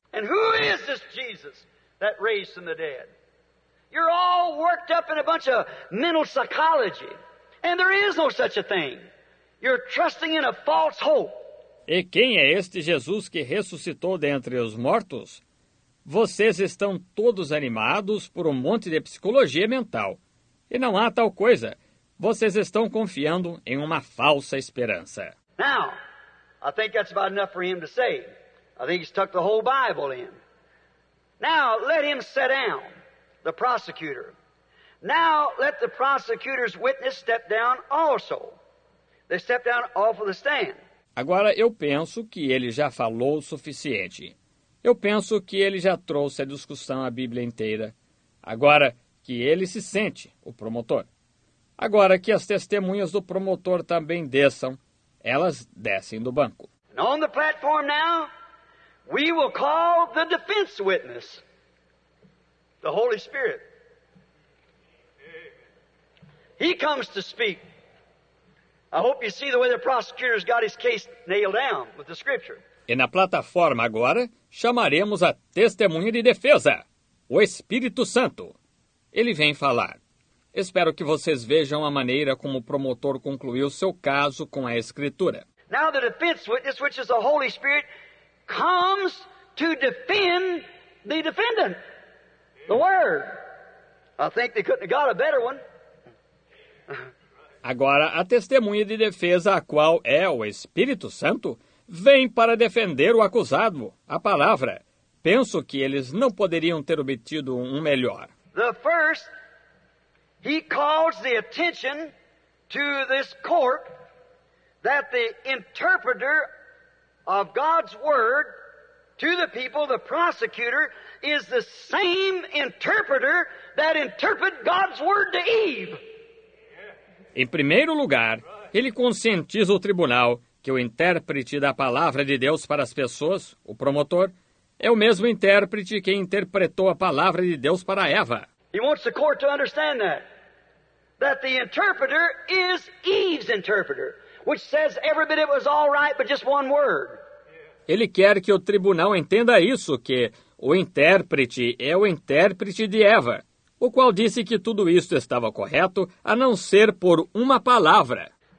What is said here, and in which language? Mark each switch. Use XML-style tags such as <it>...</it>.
<en>And who is this Jesus that raised from the dead? You're all worked up in a bunch of mental psychology. And there is no such a thing. You're trusting in a false hope.</en> <pt>E quem é este Jesus que ressuscitou dentre os mortos? Vocês estão todos animados por um monte de psicologia mental. E não há tal coisa. Vocês estão confiando em uma falsa esperança.</pt> <en>Now, I think that's about enough for him to say. I think he's tucked the whole Bible in. Now, let him sit down, the prosecutor. Now, let the prosecutor's witness step down also. They step down off of the stand.</en> <pt>Agora, eu penso que ele já falou o suficiente. Eu penso que ele já trouxe a discussão à Bíblia inteira. Agora, que ele se sente, o promotor. Agora, que as testemunhas do promotor também desçam, elas descem do banco.</pt> <en>And on the platform now, we will call the defense witness, the Holy Spirit. He comes to speak. I hope you see the way the prosecutor's got his case nailed down with the scripture.</en> <pt>E na plataforma agora, chamaremos a testemunha de defesa, o Espírito Santo. Ele vem falar. Espero que vocês vejam a maneira como o promotor concluiu seu caso com a escritura.</pt> <en>Now the defense witness, which is the Holy Spirit, comes to defend the defendant, the Word. I think they couldn't have got a better one.</en> <pt>Agora, a testemunha de defesa, a qual é o Espírito Santo, vem para defender o acusado, a palavra. Penso que eles não poderiam ter obtido um melhor.</pt> <en>The first, he calls the attention to this court that the interpreter of God's word to the people, the prosecutor, is the same interpreter that interpreted God's word to Eve.</en> <pt>Em primeiro lugar, ele conscientiza o tribunal que o intérprete da palavra de Deus para as pessoas, o promotor, é o mesmo intérprete que interpretou a palavra de Deus para Eva.</pt> <en>He wants the court to understand that the interpreter is Eve's interpreter, which says every bit it was all right, but just one word.</en> <pt>Ele quer que o tribunal entenda isso, que o intérprete é o intérprete de Eva, o qual disse que tudo isto estava correto, a não ser por uma palavra.</pt>